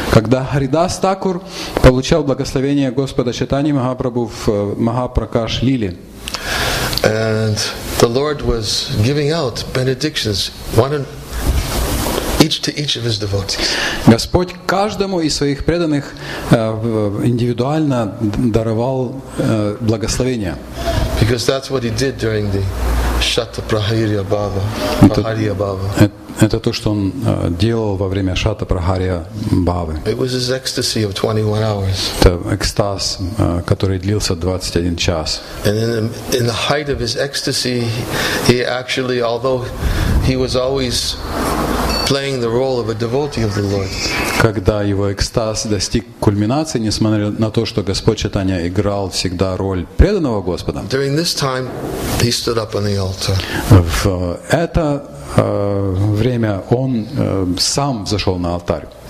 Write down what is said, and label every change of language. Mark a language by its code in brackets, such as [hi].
[ru] Когда Харидас Такур получал благословение Господа Чайтаньи Махапрабху в Махапракаш Лиле. [en] And the Lord was giving out benedictions to each of his devotees. [ru] Господь каждому из своих преданных индивидуально даровал благословение. [en] Because that's what he did during the Шата Прахария Бхава. [ru] Прахария Бхава. Это то, что он делал во время Шата Прахария Бхавы. [en] It was his ecstasy of 21 hours. [ru] Это экстаз, который длился 21 час. [en] And in the height of his ecstasy, he actually, although he was always playing the role of a devotee of the Lord. [ru] Когда его экстаз достиг кульминации, несмотря на то, что Господь Чайтанья играл всегда роль преданного Господа. [en] During this time, he stood up on the altar. [ru] В это время он сам зашел на алтарь.